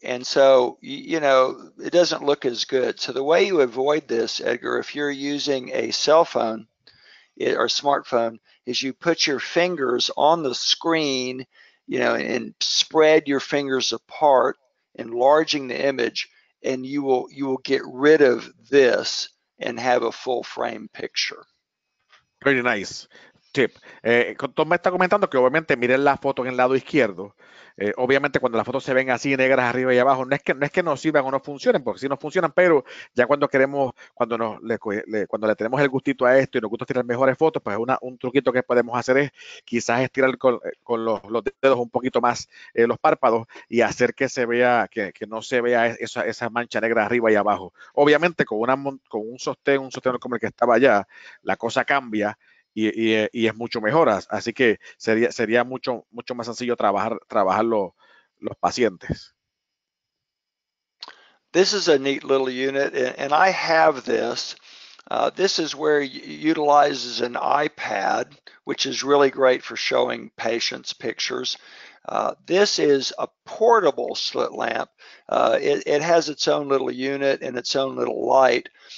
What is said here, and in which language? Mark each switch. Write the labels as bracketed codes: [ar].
[en] And so, it doesn't look as good. So the way you avoid this, Edgar, if you're using a cell phone or smartphone, is you put your fingers on the screen, and spread your fingers apart, enlarging the image, and you will get rid of this and have a full frame picture. Very nice tip. [es] Tom me está comentando que obviamente miren la foto en el lado izquierdo. Obviamente cuando las fotos se ven así negras arriba y abajo, no es que no sirvan o no funcionen, porque sí no funcionan, pero ya cuando queremos, cuando nos cuando le tenemos el gustito a esto y nos gusta tirar mejores fotos, pues un truquito que podemos hacer es quizás estirar con los dedos un poquito más los párpados y hacer que se vea, que no se vea esa mancha negra arriba y abajo. Obviamente con un sostén como el que estaba allá, la cosa cambia. Y es mucho mejor, así que sería mucho mucho más sencillo trabajar los pacientes. [en] This is a neat little unit, and I have this. This is where it utilizes an iPad, which is really great for showing patients pictures. This is a portable slit lamp. It has its own little unit and its own little light.